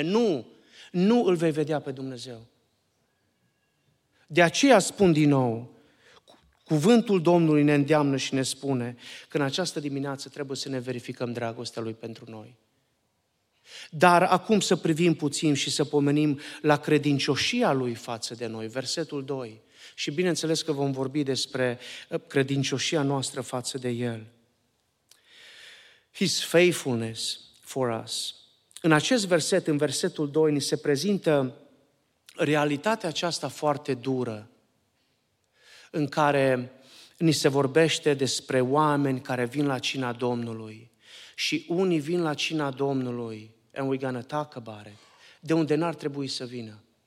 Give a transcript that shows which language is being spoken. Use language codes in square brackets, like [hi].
[ro] Nu, nu îl vei vedea pe Dumnezeu. De aceea spun din nou, cuvântul Domnului ne îndeamnă și ne spune că în această dimineață trebuie să ne verificăm dragostea Lui pentru noi. Dar acum să privim puțin și să pomenim la credincioșia lui față de noi, versetul 2. Și bineînțeles că vom vorbi despre credincioșia noastră față de El. [en] His faithfulness for us. [ro] În acest verset, în versetul 2, ni se prezintă realitatea aceasta foarte dură, în care ni se vorbește despre oameni care vin la cina Domnului și unii vin la cina Domnului, [en] and we're gonna talk about it, [ro] de unde n-ar trebui să vină.